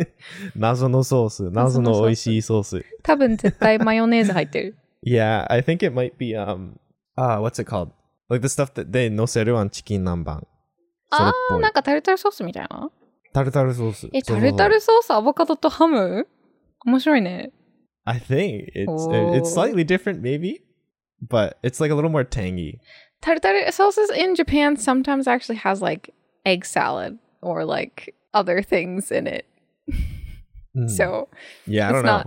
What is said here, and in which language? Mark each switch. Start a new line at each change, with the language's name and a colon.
Japanese: なんかのソースはなんかのソースだよ。謎のソース、謎の美味しいソース。多分絶対マヨネーズ入ってる。
English: Yeah, I think it might be what's it called? Like the stuff that they noseru on chicken nanban.
Japanese: なんかタルタルソースみたいな? タルタルソース。タルタルソースアボカドとハム? 面白いね。
English: I think it's slightly different maybe, but it's like a little more tangy. タルタルソース in Japan sometimes actually has like egg salad or like other things in it. So yeah,